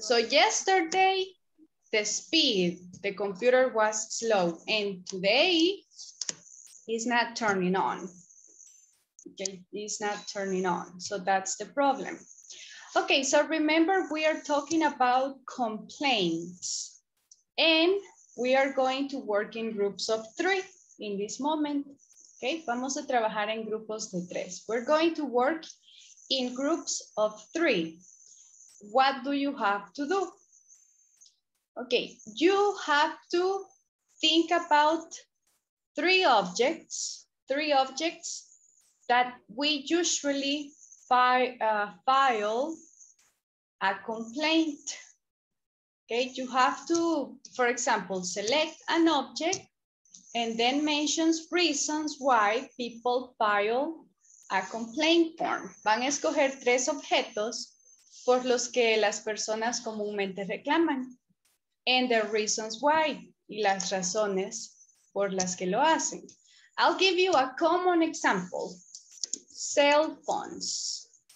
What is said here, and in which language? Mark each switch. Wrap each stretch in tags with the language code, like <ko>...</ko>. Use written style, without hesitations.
<en>So yesterday, the speed, the computer was slow, and today it's not turning on. Okay, it's not turning on. So that's the problem. Okay, so remember we are talking about complaints and we are going to work in groups of three in this moment.</en> <es>Okay, vamos a trabajar en grupos de tres.</es> <en>We're going to work in groups of three. What do you have to do? Okay, you have to think about three objects three objects that we usually file a complaint. Okay, you have to, for example, select an object and then mention reasons why people file a complaint form.</en> <es>Van a escoger tres objetos por los que las personas comúnmente reclaman.</es> <en>And the reasons why,</en> <es>y las razones por las que lo hacen.</es> <en>I'll give you a common example. Cell phones.</en>